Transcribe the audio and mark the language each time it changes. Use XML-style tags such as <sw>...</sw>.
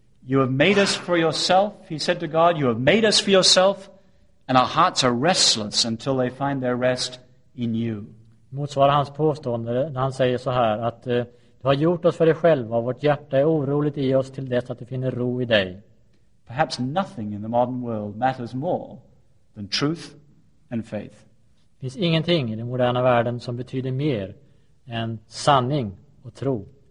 <en>You have made us for yourself, he said to God. You have made us for yourself, and our hearts are restless until they find their rest in you.</en> <sv>Motsvarar hans påstående när han säger så här att du har gjort oss för dig själv och vårt hjärta är oroligt i oss till dess att det finner ro i dig.</sv> <en>Perhaps nothing in the modern world matters more than truth and faith.</en> <sv>Det finns ingenting i den moderna världen som betyder mer än sanning och tro.</sv>